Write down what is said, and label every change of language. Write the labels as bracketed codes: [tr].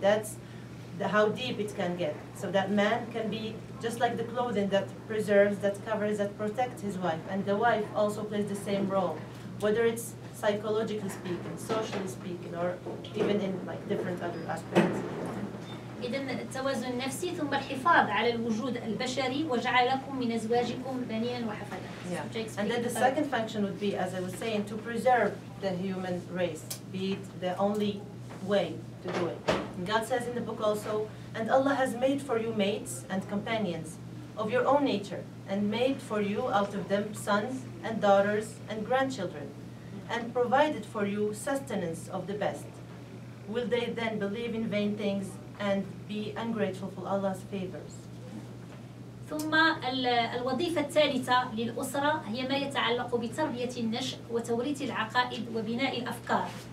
[en] That's how deep it can get. So that man can be just like the clothing that preserves, that covers, that protects his wife. And the wife also plays the same role, whether it's psychologically speaking, socially speaking, or even in like different other aspects. [ar] إذن التوازن النفسي ثم الحفاظ على الوجود البشري وجعل لكم من أزواجكم بنياً وحفدة. [en] Yeah. And then the second function would be, as I was saying, to preserve the human race, be it the only way to do it. And God says in the book also, and Allah has made for you mates and companions of your own nature, and made for you out of them sons and daughters and grandchildren, and provided for you sustenance of the best. Will they then believe in vain things and be ungrateful for Allah's favors? [ar] ثم الوظيفة الثالثة للأسرة هي ما يتعلق بتربية النشء وتوريث العقائد وبناء الأفكار.